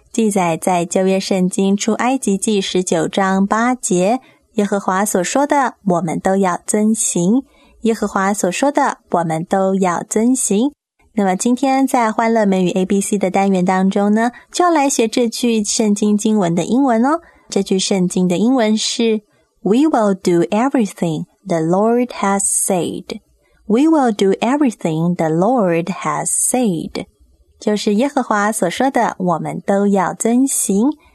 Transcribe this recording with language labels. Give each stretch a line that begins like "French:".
Chinese: 记载在旧约圣经出埃及记19章8节，耶和华所说的我们都要遵行，耶和华所说的我们都要遵行。那么今天在欢乐美语 ABC 的单元当中呢，就要来学这句圣经经文的英文哦。这句圣经的英文是
English: We will do everything the Lord has saidWe will do everything the Lord has said.
Chinese: 就是耶和华所说的我们都要遵行。